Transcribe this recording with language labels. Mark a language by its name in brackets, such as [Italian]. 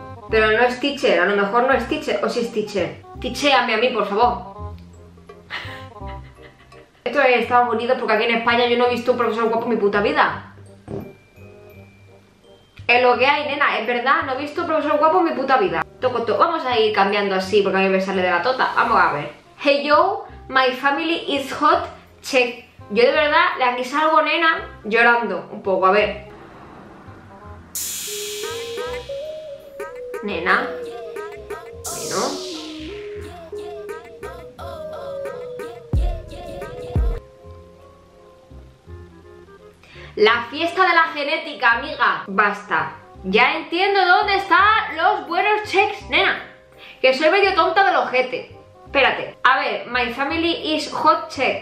[Spanish] Pero no es teacher, a lo mejor no es teacher. O si es teacher. Teacheame a mí, por favor. Esto es Estados Unidos, porque aquí en España yo no he visto un profesor guapo en mi puta vida. Es lo que hay, nena, es verdad. No he visto un profesor guapo en mi puta vida. Toco, toco. Vamos a ir cambiando así, porque a mí me sale de la tota. Vamos a ver. [English] Hey yo, my family is hot, check. [Spanish] Yo de verdad, de aquí salgo, nena, llorando un poco, a ver. Nena. Bueno. La fiesta de la genética, amiga. Basta. Ya entiendo dónde están los buenos checks, nena. Que soy medio tonta del ojete. Espérate, a ver, [English] my family is hot check.